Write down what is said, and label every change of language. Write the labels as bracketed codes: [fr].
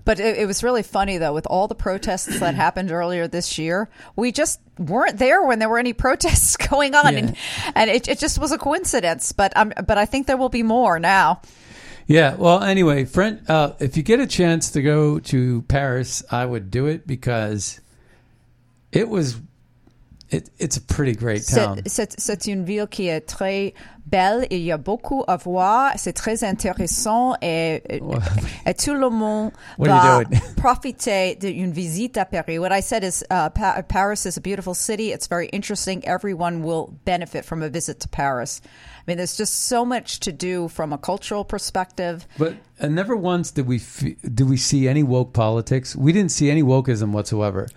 [en] But it was really funny, though, with all the protests that happened earlier this year, we just weren't there when there were any protests going on. Yeah. And it just was a coincidence. But I think there will be more now. Yeah. Well, anyway, friend, if you get a chance to go to Paris, I would do it because It was. It's a pretty great town. [fr] C'est une ville qui est très belle. Il y a beaucoup à voir. C'est très intéressant. Et tout le monde [en] what [fr] va [en] are you doing? [fr] Profiter d'une visite à Paris. [en] What I said is Paris is a beautiful city. It's very interesting. Everyone will benefit from a visit to Paris. I mean, there's just so much to do from a cultural perspective. But never once did we see any woke politics. We didn't see any wokeism whatsoever.